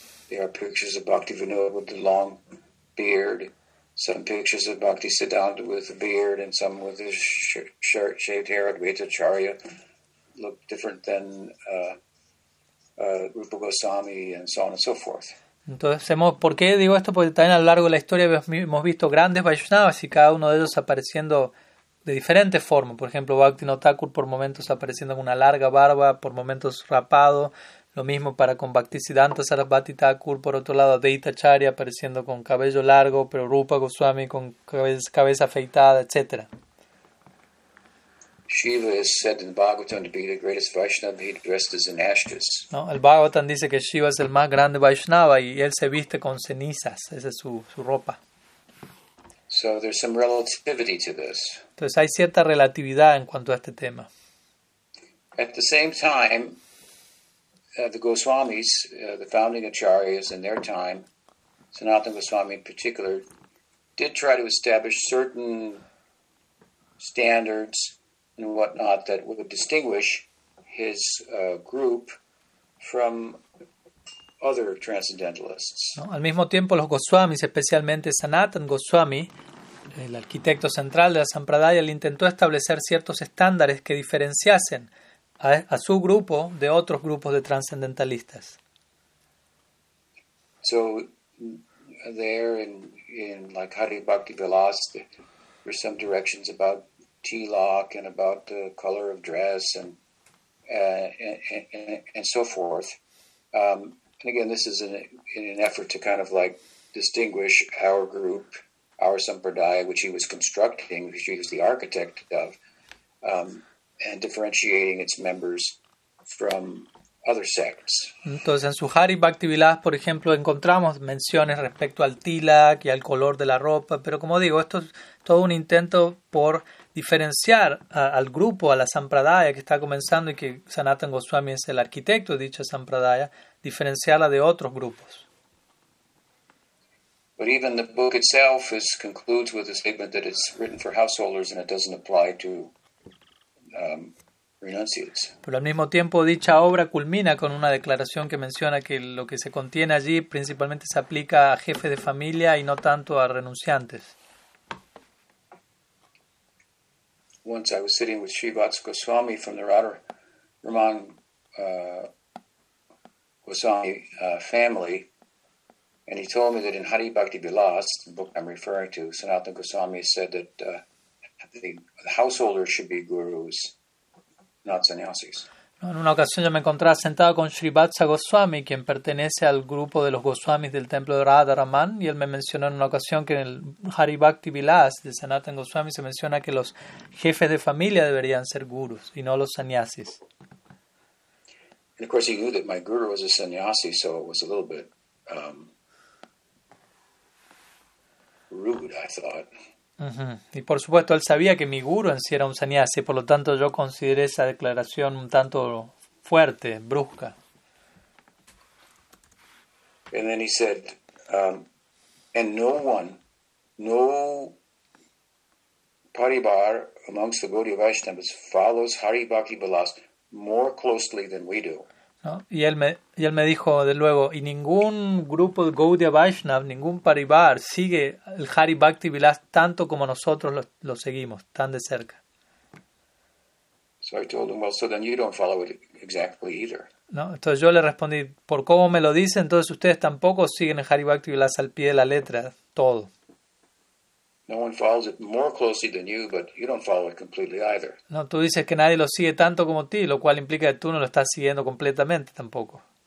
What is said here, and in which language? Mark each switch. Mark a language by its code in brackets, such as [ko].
[en] There are pictures of Bhaktivinoda with the long beard, some pictures of Bhaktisiddhanta with a beard, and some with his shaved hair. Advaita Acharya look different than Rupa Goswami, and so on and so forth. [es] Entonces, ¿por qué digo esto? Porque también a lo largo de la historia hemos visto grandes Vaishnavas y cada uno de ellos apareciendo de diferentes formas. Por ejemplo, Bhaktivinoda Thakur por momentos apareciendo con una larga barba, por momentos rapado. Lo mismo para con Bhaktisiddhanta Sarasvati Thakur, por otro lado, Advaita Acharya apareciendo con cabello largo, pero Rupa Goswami con cabeza afeitada, etc. [en] Shiva is said in the Bhagavatam to be the greatest Vaishnava, he dressed as an ashes. [es] No, el Bhagavatam dice que Shiva es el más grande Vaishnava y él se viste con cenizas, esa es su ropa. [en] So there's some relativity to this. [es] Entonces hay cierta relatividad en cuanto a este tema. [en] At the same time, the Goswamis, the founding acharyas in their time, Sanatana Goswami in particular, did try to establish certain standards and whatnot that would distinguish his group from other transcendentalists. [es] No, al mismo tiempo, los Goswamis, especialmente Sanatana Goswami, el arquitecto central de la Sampradaya, él intentó establecer ciertos estándares que diferenciasen a su grupo de otros grupos de transcendentalistas. [en] So there in like Hari Bhakti Vilas, there were some directions about tilak and about the color of dress and so forth. And again, this is in an effort to kind of like distinguish our group, our sampradaya, which he was constructing, which he was the architect of. And differentiating its members from other sects. [es] Entonces, en su Hari Bhakti Vilas, por ejemplo, encontramos menciones respecto al tilak y al color de la ropa, pero como digo, esto es todo un intento por diferenciar al grupo, a la Sampradaya que está comenzando y que Sanatana Goswami es el arquitecto de dicha Sampradaya, diferenciarla de otros grupos. [en] But even the book itself concludes with a statement that it's written for householders and it doesn't apply to renunciates. [es] Pero al mismo tiempo dicha obra culmina con una declaración que menciona que lo que se contiene allí principalmente se aplica a jefes de familia y no tanto a renunciantes. [en] Once I was sitting with Srivats Goswami from the Radharaman Goswami family, and he told me that in Hari Bhakti Vilas, the book I'm referring to, Sanatana Goswami said that the householders should be gurus, not sannyasis. [es] En una ocasión yo me encontraba sentado con Sri Vatsa Goswami, quien pertenece al grupo de los Goswamis del templo de Radharaman, y él me mencionó en una ocasión que en el Hari Bhakti Vilas de Sanatan Goswami se menciona que los jefes de familia deberían ser gurus y no los sannyasis. [en] And of course he knew that my guru was a sannyasi, so it was a little bit rude, I thought. [es] Y por supuesto él sabía que mi guru en sí era un sannyasi, por lo tanto yo consideré esa declaración un tanto fuerte, brusca. [en] And then he said, and no one, no paribar amongst the Gaudiya Vaishnavas follows Hari Bhakti Balas more closely than we do. [es] ¿No? Y él me dijo de luego, y ningún grupo de Gaudiya Vaishnav, ningún Parivar, sigue el Hari Bhakti Vilas tanto como nosotros lo seguimos, tan de cerca. [en] So I told him, well, so then you don't follow it exactly either. [es] ¿No? Entonces yo le respondí, por cómo me lo dice, entonces ustedes tampoco siguen el Hari Bhakti Vilas al pie de la letra, todo. [en] No one follows it more closely than you, but you don't follow it completely either. [es] No, tú dices que nadie lo sigue tanto como ti, lo cual implica que tú no lo estás siguiendo completamente tampoco.